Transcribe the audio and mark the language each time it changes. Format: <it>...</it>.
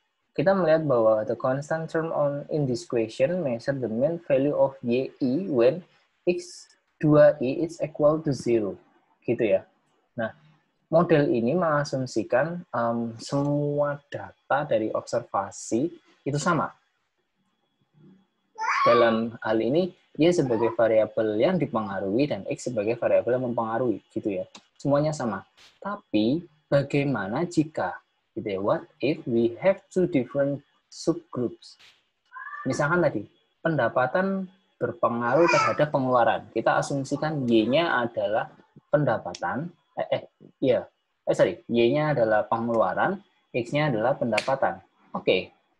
<en>Kita melihat bahwa the constant term on in this equation measure the mean value of YI when X2I is equal to 0.</en> <id>Gitu ya. Nah, model ini mengasumsikan semua data dari observasi itu sama. Dalam hal ini, Y sebagai variabel yang dipengaruhi dan X sebagai variabel yang mempengaruhi. Gitu ya. Semuanya sama. Tapi, bagaimana jika what if we have two different subgroups? Misalkan tadi, pendapatan berpengaruh terhadap pengeluaran. Kita asumsikan Y-nya adalah pendapatan, Y-nya adalah pengeluaran, X-nya adalah pendapatan. Oke.</id>